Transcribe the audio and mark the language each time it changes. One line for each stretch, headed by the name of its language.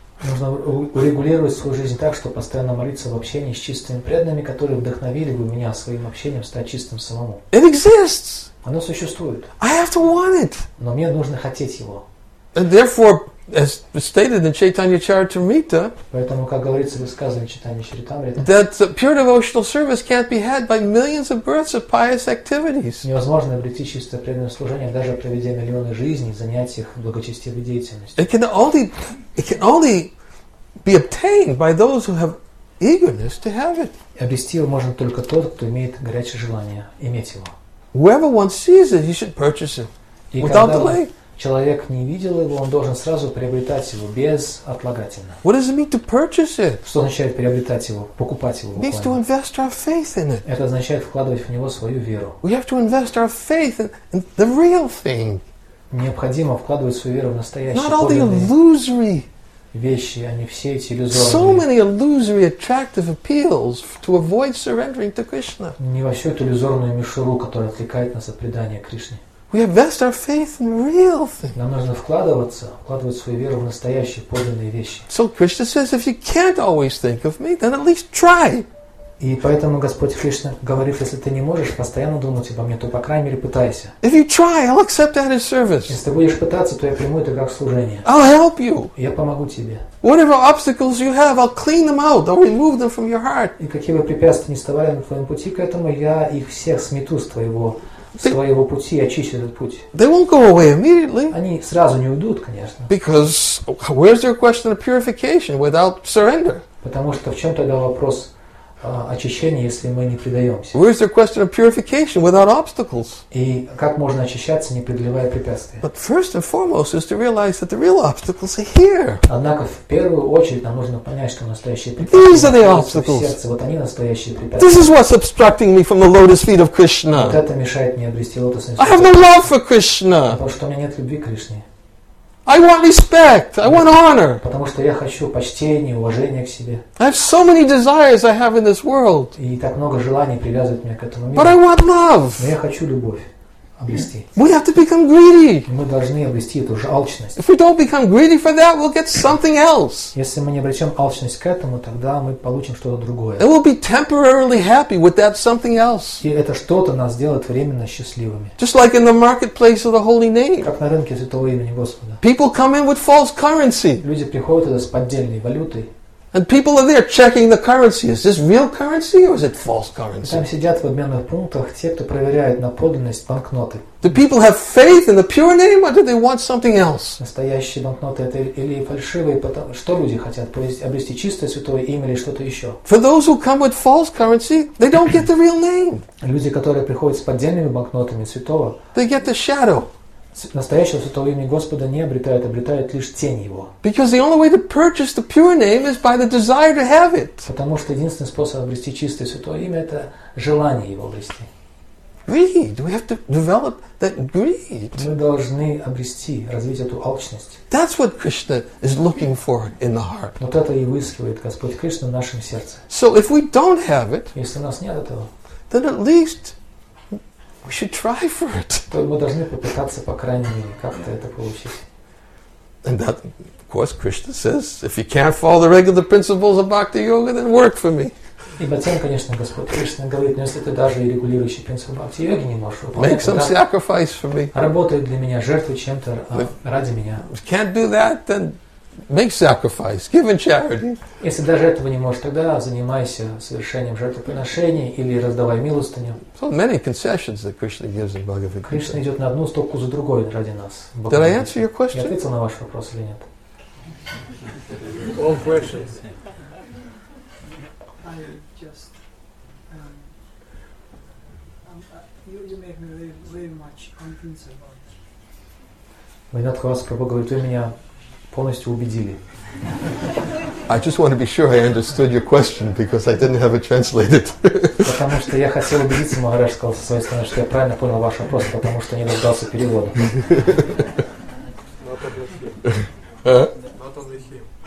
Russian: Нужно урегулировать свою жизнь так, чтобы постоянно молиться в общении с чистыми преданными, которые вдохновили бы меня своим общением стать чистым самому.
English: It exists.
Russian: Оно существует.
English: I have to want it.
Russian: Но мне нужно хотеть его.
English: And therefore, as stated in Chaitanya Charitamrita,
Russian: поэтому, как говорится, высказывание Чайтанья Чаритамрита,
English: that pure devotional service can't be had by millions of births of pious activities.
Russian: Невозможно обрести чистое преданное служение, даже проведя миллионы жизней, занятий их благочестивой деятельностью.
English: It can only be obtained by those who have eagerness to have it.
Russian: Обрести его можно только тот, кто имеет горячее желание иметь его.
English: Whoever one sees it, he should purchase it without delay.
Russian: Человек не видел его, он должен сразу приобретать его безотлагательно.
English: What does it mean to purchase it?
Russian: Что означает приобретать его, покупать его?
English: It means to invest our faith in it.
Russian: Это означает вкладывать в него свою веру.
English: We have to invest our faith in the real thing.
Russian: Необходимо вкладывать свою веру в настоящее.
English: Not all the illusory
Russian: вещи, а не все эти иллюзорные.
English: So many illusory attractive appeals to avoid surrendering to Krishna.
Russian: Не во всю эту иллюзорную мишуру, которая отвлекает нас от предания Кришне.
English: We invest our faith in real things.
Russian: Нам нужно вкладывать свою веру в настоящие, подлинные вещи.
English: So Krishna says, if you can't always think of me, then at least try.
Russian: И поэтому Господь Кришна говорит, если ты не можешь постоянно думать обо мне, то по крайней мере пытайся.
English: If you try, I'll accept that as service.
Russian: Если ты будешь пытаться, то я приму это как служение.
English: I'll help you.
Russian: Я помогу тебе.
English: Whatever obstacles you have, I'll clean them out. I'll remove them from your heart.
Russian: И какие бы препятствия ни вставали на твоем пути к этому, я их всех смету с твоего своего пути и очищу этот путь.
English: They won't go away immediately.
Russian: Они сразу не уйдут, конечно.
English: Because where's your question of purification without surrender?
Russian: Потому что в чем тогда вопрос очищения, если мы не предаемся?
English: Where's your question of purification without obstacles?
Russian: И как можно очищаться, не преодолевая препятствия?
English: But first and foremost is to realize that the real obstacles are here.
Russian: Однако в первую очередь нам нужно понять, что настоящие препятствия.
English: These are the obstacles.
Russian: Вот они настоящие препятствия.
English: This is what's obstructing me from the lotus feet of Krishna.
Russian: Вот это мешает мне обрести лотосные стопы.
English: I have no love for Krishna.
Russian: Потому что у меня нет любви к Кришне.
English: I want respect. I want honor.
Russian: Потому что я хочу почтение, уважение к себе.
English: I have so many desires I have in this world.
Russian: И так много желаний привязывает меня к этому миру.
English: But I want love.
Russian: Но я хочу любовь обрести.
English: We have to become greedy.
Russian: Мы должны обрести эту алчность.
English: If we don't become greedy for that, we'll get something else.
Russian: Если мы не обретем алчность к этому, тогда мы получим что-то другое.
English: And we'll be temporarily happy with that something else.
Russian: И это что-то нас сделает временно счастливыми.
English: Just like in the marketplace of the holy name.
Russian: Как на рынке святого имени Господа.
English: People come in with false currency.
Russian: Люди приходят туда с поддельной валютой.
English: And people are there checking the currency. Is this real currency or is it false currency?
Russian: Там сидят в обменных пунктах те, кто проверяет на подлинность банкноты.
English: Do people have faith in the pure name or do they want something else?
Russian: Настоящие банкноты это или фальшивые? Что люди хотят? Обрести чистое святое имя или что-то еще?
English: For those who come with false currency, they don't get the real name.
Russian: Люди, которые приходят с поддельными банкнотами святого,
English: they get the shadow.
Russian: Настоящего святого имени Господа не обретают, обретают лишь тень его.
English: Because the only way to purchase the pure name is by the desire to have it.
Russian: Потому что единственный способ обрести чистое святое имя – это желание его обрести.
English: Greed. We have to develop that greed.
Russian: Мы должны обрести, развить эту алчность.
English: That's what Krishna is looking for in the heart.
Russian: Вот это и выискивает Господь Кришна в нашем сердце.
English: So if we don't have it,
Russian: если у нас нет этого,
English: then at least we should try for it.
Russian: То мы должны попытаться, по крайней мере, как-то это получить.
English: And that, of course, Krishna says, if you can't follow the regular principles of Bhakti Yoga, then work for me.
Russian: Ибо тем, конечно, Господь Кришна говорит, но если ты даже и регулирующий принцип Бхакти Йоги не можешь выполнить,
English: make some sacrifice for me.
Russian: Работай для меня, жертвуй чем-то ради меня.
English: If you can't do that, then make sacrifice, give in charity.
Russian: Если даже этого не можешь, тогда занимайся совершением жертвоприношений или раздавай милостыню.
English: So many concessions that Krishna gives in Bhagavad Gita.
Russian: Кришна идет на одну стопку за другой ради нас.
English: Did I answer your question?
Russian: Я ответил на ваш вопрос или нет?
English: All questions. I just you make me very much convinced about.
Russian: Вайнат Хаваска Прабху говорит, вы меня полностью убедили.
English: I just want to be sure I understood your question because I didn't have it translated.
Russian: Потому что я хотел убедиться, Махарадж сказал со своей стороны, что я правильно понял ваш вопрос, потому что не дождался перевода.
English: Not only him.